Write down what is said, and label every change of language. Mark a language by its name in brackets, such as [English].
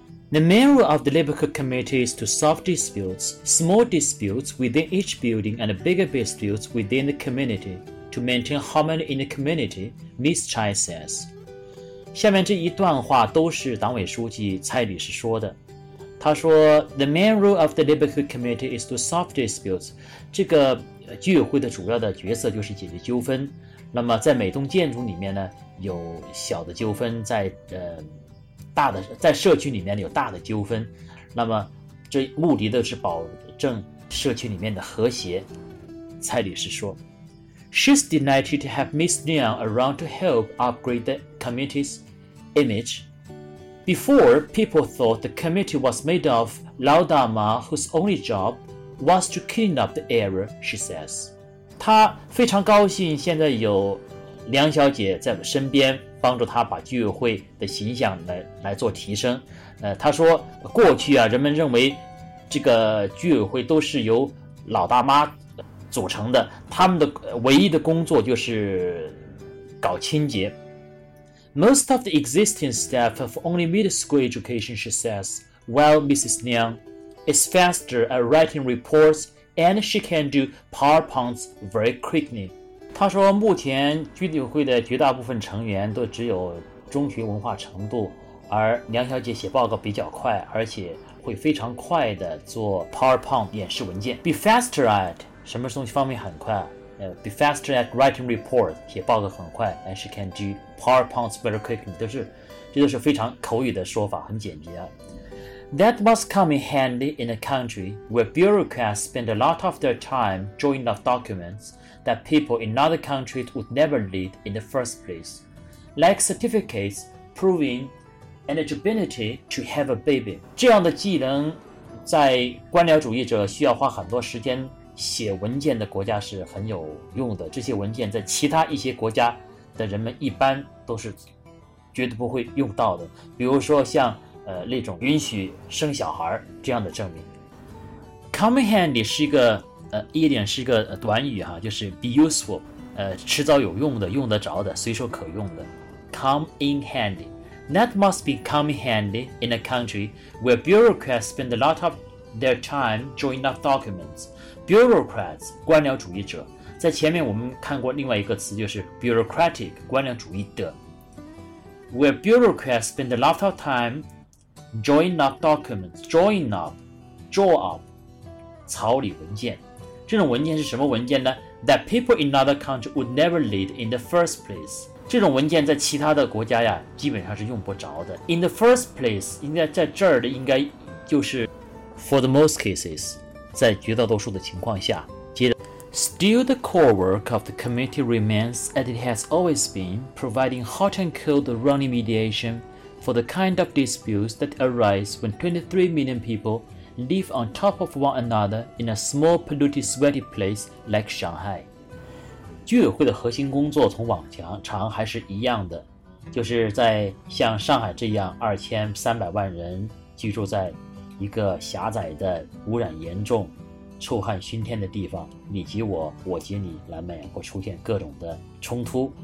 [English] The main role of the neighborhood committee is to solve disputes, small disputes within each building and bigger disputes within the community to maintain harmony in the community, Ms. Chai says. [Chinese] 下面这一段话都是党委书记蔡女士说的。她说 [English] The main role of the neighborhood committee is to solve disputes. [Chinese] 这个居委会的主要的角色就是解决纠纷那么在每栋建筑里面呢有小的纠纷在、大的在社区里面有大的纠纷那么这目的的是保证社区里面的和谐蔡女士说 [English] She's delighted to have Ms. Liang around to help upgrade the committee's image Before, people thought the committee was made of Lao Dama whose only jobwas to clean up the error, she says. [Chinese] 她非常高兴现在有梁小姐在身边帮助她把居委会的形象 来做提升。她说过去啊人们认为这个居委会都是由老大妈组成的他们的唯一的工作就是搞清洁。 [English] Most of the existing staff have only middle school education, she says, while Mrs. Liang,is faster at writing reports and she can do PowerPoints very quickly. [Chinese] 他说目前居委会的绝大部分成员都只有中学文化程度而梁小姐写报告比较快而且会非常快的做 PowerPoint 演示文件。 [English] Be faster at [Chinese] 什么东西方面很快、 [English] Be faster at writing reports [Chinese] 写报告很快 [English] and she can do PowerPoints very quickly. [Chinese] 都是这就是非常口语的说法很简洁啊。 [English] That must come in handy in a country where bureaucrats spend a lot of their time drawing up documents that people in other countries would never need in the first place, like certificates proving eligibility to have a baby. [Chinese] 这样的技能在官僚主义者需要花很多时间写文件的国家是很有用的。这些文件在其他一些国家的人们一般都是绝对不会用到的。比如说像那种允许生小孩这样的证明 [English] Come in handy [Chinese] 是一个一点是一个短语哈就是 [English] be useful [Chinese] 迟早有用的用得着的随手可用的 [English] Come in handy That must be come in handy in a country where bureaucrats spend a lot of their time drawing up documents Bureaucrats [Chinese] 官僚主义者在前面我们看过另外一个词就是 bureaucratic 官僚主义的 [English] Where bureaucrats spend a lot of timeJoin up documents, join up, draw up, [Chinese] 草拟文件。这种文件是什么文件呢 [English] ？That people in other country would never need in the first place. [Chinese] 这种文件在其他的国家呀，基本上是用不着的。 [English] In the first place, [Chinese] 应该在这儿的应该就是， [English] for the most cases, [Chinese] 在绝大多数的情况下。接着 [English] ，Still the core work of the committee remains as it has always been, providing hot and cold running mediation. For the kind of disputes that arise when 23 million people live on top of one another in a small, polluted, sweaty place like Shanghai. [Chinese] 居委会的核心工作从往常还是一样的，就是在像上海这样2300万人居住在一个狭窄的、污染严重、臭汗熏天的地方，你挤我，我挤你，难免会出现各种的冲突。